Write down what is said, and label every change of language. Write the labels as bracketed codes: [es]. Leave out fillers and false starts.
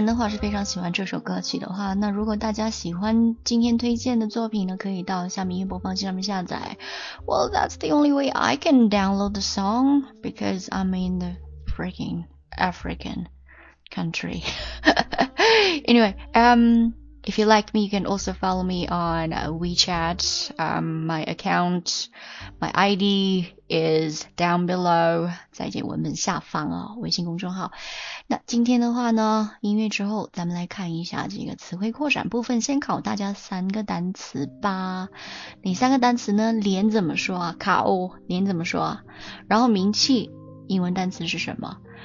[zh] 是非常喜欢这首歌曲的话，那如果大家喜欢今天推荐的作品呢，可以到下面音乐播放器上面下载。 [en] Well, that's the only way I can download the song because I'm in the freaking African country. Anyway, if you like me, you can also follow me on WeChat. My account, my ID is down below. [zh] 在节目文下方哦，微信公众号。那今天的话呢，音乐之后咱们来看一下这个词汇扩展部分，先考大家三个单词吧。哪三个单词呢？脸怎么说啊？卡欧，脸怎么说啊？然后名气，英文单词是什么？